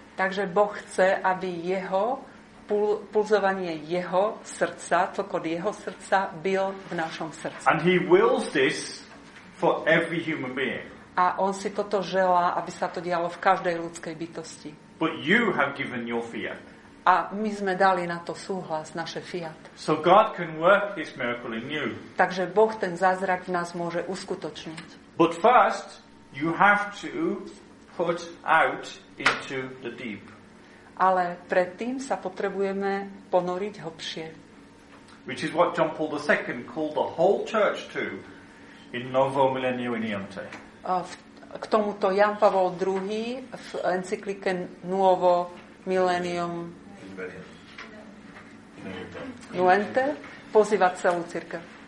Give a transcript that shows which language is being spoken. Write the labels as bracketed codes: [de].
[sk] Takže Boh chce, aby jeho pulzovanie jeho srdca, tlkot jeho srdca byl v našom srdci. [en] And he wills this for every human being. [sk] A on si toto želá, aby sa to dialo v každej ľudskej bytosti. [en] But you have given your fiat. [sk] A my sme dali na to súhlas, naše fiat. [en] So God can work this miracle in you. [sk] Takže Boh ten zázrak v nás môže uskutočniť. [en] But first you have to put out into the deep. [sk] Ale predtým sa potrebujeme ponoriť hlbšie. [en] Which is what John Paul II called the whole church to in Novo Millennium in Iante. [sk] K tomuto Jan Pavol II v encyklike Novo Millennium in Iante pozýva celú cirkev.